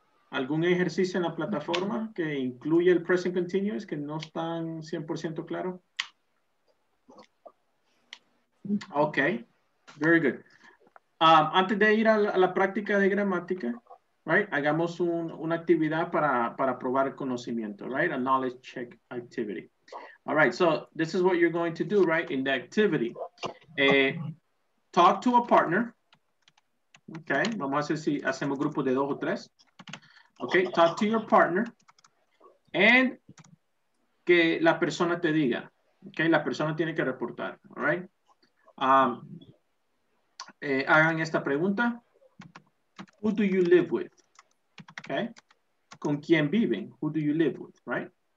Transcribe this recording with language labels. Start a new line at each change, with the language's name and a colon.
Spanish: ¿Algún ejercicio en la plataforma que incluye el present continuous que no están 100% claro?
English: Okay, very good.
Spanish: Antes de ir a la práctica de gramática, right, hagamos una actividad para probar conocimiento, right?
English: A knowledge check activity. All right, so this is what you're going to do, right, in the activity. Talk to a partner.
Spanish: Okay, vamos a hacer si hacemos grupo de dos o tres.
English: Okay, talk to your partner. And
Spanish: que la persona te diga.
English: Okay,
Spanish: la persona tiene que reportar,
English: all right?
Spanish: Hagan esta pregunta.
English: Who do you live with? Okay.
Spanish: ¿Con quién viven?
English: Who do you live with? Right.